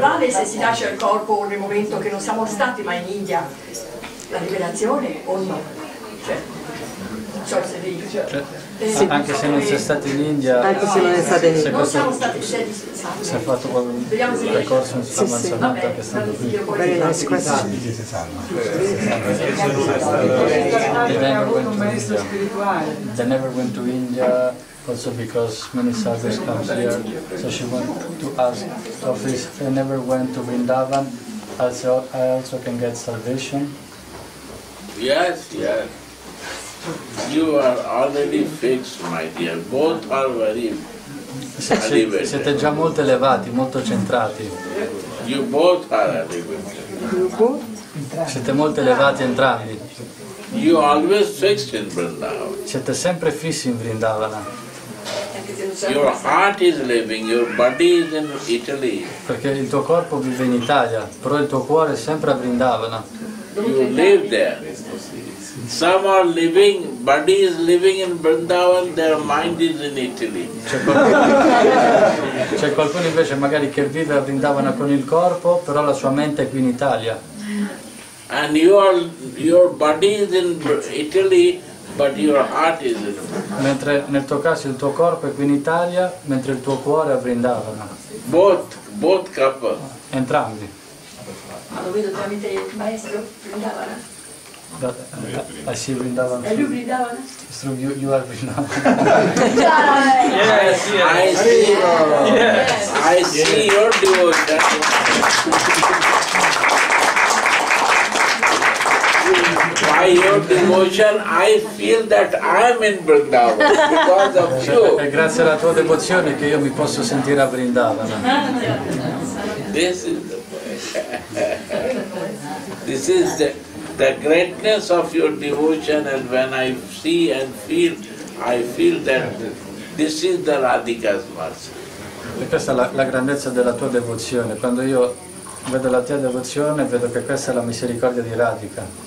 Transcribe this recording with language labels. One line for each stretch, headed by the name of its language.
Italian: Vale se si lascia il corpo nel momento che non siamo stati mai in India, la liberazione o no? Cioè, non so se vi. Sì, anche se non si è stati in India, anche se non è stato in India, si è fatto un percorso in Sri Lanka, che è stato qui.
English: They never went to India, also because many sadhus come here. So she went to ask of this. They never went to Vrindavan. Also, I also can get salvation. Yes, yes. You are already fixed, my dear. Both are very elevated.
Italian: Siete già molto elevati, molto centrati.
English: You both are elevated.
Italian: Siete molto elevati entrambi.
English: You always fixed in Vrindavan.
Italian: Siete sempre fissi in Vrindavana.
English: Your heart is living, your body is in Italy.
Italian: Perché il tuo corpo vive in Italia, però il tuo cuore è sempre a Vrindavana.
English: You live there. Some are living, body is living in Vrindavan, their mind is in Italy.
Italian: C'è qualcuno invece magari che vive a Vrindavan con il corpo, però la sua mente è qui in Italia.
English: And your body is in Italy, but your heart is in.
Italian: Mentre nel tuo caso il tuo corpo è qui in Italia, mentre il tuo cuore è a Vrindavan.
English: Both couple.
Italian: Entrambi. Ma lo vedo tramite il maestro Vrindavan.
English: I see Vrindavan. Are you Vrindavan? So you are Vrindavan. Yes, yes. I see your devotion. By your devotion, I feel that I am in Vrindavan because of you.
Italian: È grazie alla tua devozione che io mi posso sentire a Vrindavan.
English: This is the greatness of your devotion, and when I see and feel, I feel that this is the Radhika's mercy.
Italian: E questa è la grandezza della tua devozione. Quando io vedo la tua devozione, vedo che questa è la misericordia di Radhika.